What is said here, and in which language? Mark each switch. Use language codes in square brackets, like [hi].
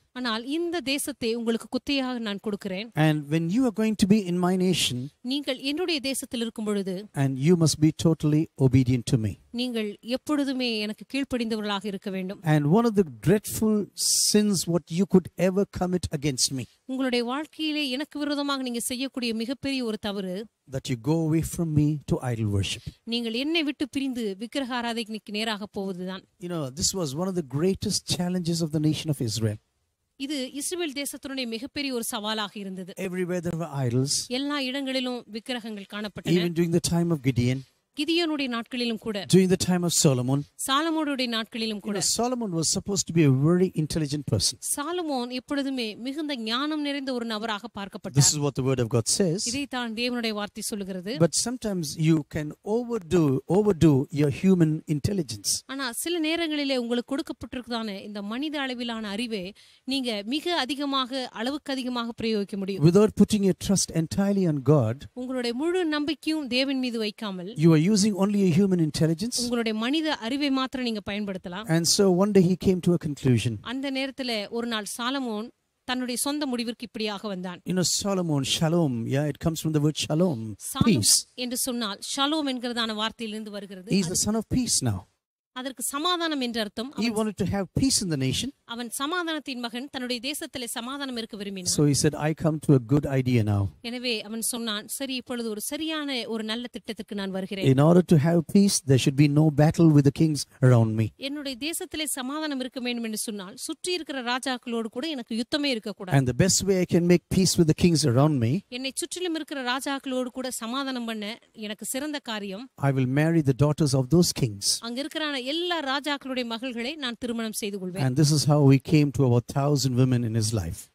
[ta] ஆனால் இந்த தேசத்தை உங்களுக்கு குத்தையாக நான் கொடுக்கிறேன். [en] And when you are going to be in my nation, [ta] நீங்கள் என்னுடைய தேசத்தில் இருக்கும் பொழுது, [en] and you must be totally obedient to me. [ta] நீங்கள் எப்பொழுதுமே எனக்கு கீழ்ப்படிந்தவர்களாக இருக்க வேண்டும். [en] And one of the dreadful sins what you could ever commit against me. [ta] உங்களுடைய வாழ்க்கையிலே எனக்கு விரோதமாக நீங்க செய்யக்கூடிய மிகப்பெரிய ஒரு தவறு, [en] that you go away from me to idol worship. [ta] நீங்கள் என்னை விட்டு பிரிந்து விக்கிரக ஆராதனைக்கு நேராக போவதுதான். [en] You know, this was one of the greatest challenges of the nation of Israel. [ta] இது இஸ்ரவேல் தேசத்தினுடைய மிகப்பெரிய ஒரு சவாலாக இருந்தது. [en] Everywhere there were idols. [ta] எல்லா இடங்களிலும் விக்கிரகங்கள் காணப்பட்டன. [en] Even during the time of Gideon. [ta] கிதியோனுடைய நாட்களிலும் கூட. [en] During the time of Solomon. [ta] சாலமோனுடைய நாட்களிலும் கூட. [en] You know, Solomon was supposed to be a very intelligent person. [ta] Solomon எப்பொழுதுமே மிகுந்த ஞானம் நிறைந்த ஒரு நபராக பார்க்கப்பட்டார். [en] This is what the word of God says. [ta] இதைத்தான் தேவனுடைய வார்த்தை சொல்கிறது. [en] But sometimes you can overdo your human intelligence. [ta] ஆனால் சில நேரங்களிலே உங்களுக்கு கொடுக்கப்பட்டிருக்கான இந்த மனித அளவிலான அறிவை நீங்க மிக அதிகமாக அளவுக்கு அதிகமாக பிரயோகிக்க முடியும். [en] Without putting your trust entirely on God. [ta] உங்களுடைய முழு நம்பிக்கையும் தேவன் மீது வைக்காமல் [en] using only a human intelligence. [ta] உங்களுடைய மனித அறிவை மட்டும் நீங்க பயன்படுத்தலாம். [en] And so one day he came to a conclusion. [ta] அந்த நேரத்துல ஒரு நாள் சாலமோன் தன்னுடைய சொந்த முடிவுக்கு இப்படியாக வந்தான். [en] You know, Solomon, Shalom, yeah, it comes from the word Shalom, peace. [ta] என்று சொன்னால் Shalom என்கிறதான வார்த்தையிலிருந்து வருகிறது. [en] He is the son of peace now. [ta] அதற்கு சமாதானம் என்ற அர்த்தம். [en] He wanted to have peace in the nation. [ta] அவன் சமாதானத்தின் மகன், தன்னுடைய தேசத்தில் சமாதானம் இருக்க விரும்பினான். [en] So he said, I come to a good idea now. [ta] எனவே அவன் சொன்னான், சரி இப்பொழுது ஒரு சரியான ஒரு நல்ல திட்டத்துக்கு நான் வருகிறேன். [en] In order to have peace, there should be no battle with the kings around me. [ta] என்னுடைய தேசத்தில் சமாதானம் இருக்க வேண்டும் என்று சொன்னால் சுற்றி இருக்கிற ராஜாக்களோடு கூட எனக்கு யுத்தமே இருக்க கூடாது. [en] And the best way I can make peace with the kings around me. [ta] என்னை சுற்றிலும் இருக்கிற ராஜாக்களோடு கூட சமாதானம் பண்ண எனக்கு சிறந்த காரியம், [en] I will marry the daughters of those kings. [ta] அங்க இருக்கிற எல்லா ராஜாக்களுடைய மகள்களை நான் திருமணம் செய்து கொள்வேன். [en] And this is how he came to about 1000 women in his life.